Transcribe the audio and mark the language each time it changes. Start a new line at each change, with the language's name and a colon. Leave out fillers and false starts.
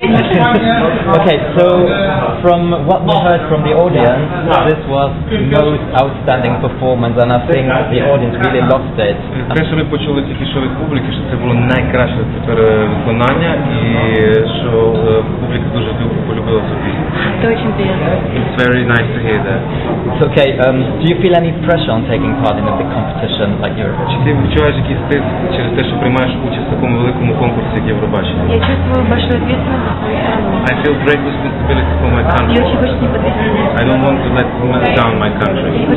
English: Okay, so from what we heard from the audience, this was most outstanding performance, and I think the audience really loved it.
Ukrainian: Те, що ми почули тільки що від публіки, що це було найкраще тепер виконання, і що публіка дуже полюбила цю пісню.
English: It's very nice to hear that. Okay, do you feel any pressure on taking part in a big competition like Eurovision?
Ukrainian: Чи ти відчуваєш якийсь тиск через те, що приймаєш участь в такому великому конкурсі, як Євробачення?
Russian: Я чувствую большую ответственность.
English: I feel great responsibility for my country.
Russian: Я очень хочу не подвести.
English: I don't want to let women down my country.